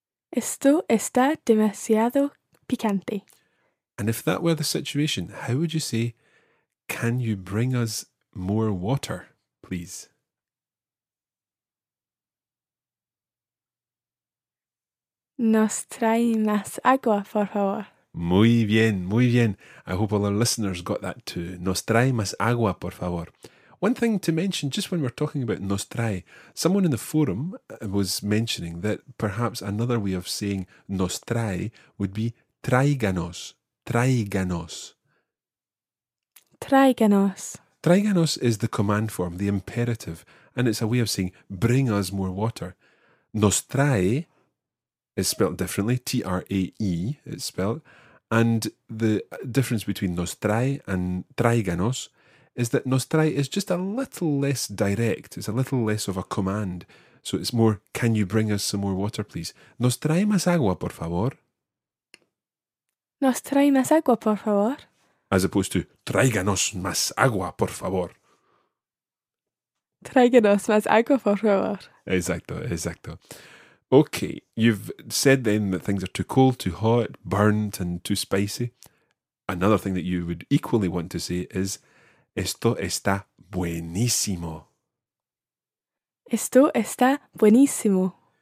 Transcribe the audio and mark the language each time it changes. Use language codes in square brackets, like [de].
[es] Esto está demasiado picante. [en] And if that were the situation, how would you say, can you bring us more water, please? [es] Nos trae más agua, por favor. Muy bien, muy bien. [en] I hope all our listeners got that too. [es] Nos trae más agua, por favor. [en] One thing to mention, just when we're talking about nos trae, someone in the forum was mentioning that perhaps another way of saying nos trae would be traiganos, traiganos. [es] Traiganos. [en] Traiganos is the command form, the imperative, and it's a way of saying bring us more water. Nos trae is spelled differently, T-R-A-E it's spelled, and the difference between nos trae and traiganos is that nos trae is just a little less direct. It's a little less of a command. So it's more, can you bring us some more water, please? [es] Nos trae más agua, por favor. Nos trae más agua, por favor. [en] As opposed to, [es] tráiganos más agua, por favor. Tráiganos más agua, por favor. Exacto, exacto. [en] Okay, you've said then that things are too cold, too hot, burnt and too spicy. Another thing that you would equally want to say is [es] esto está buenísimo. Esto está buenísimo.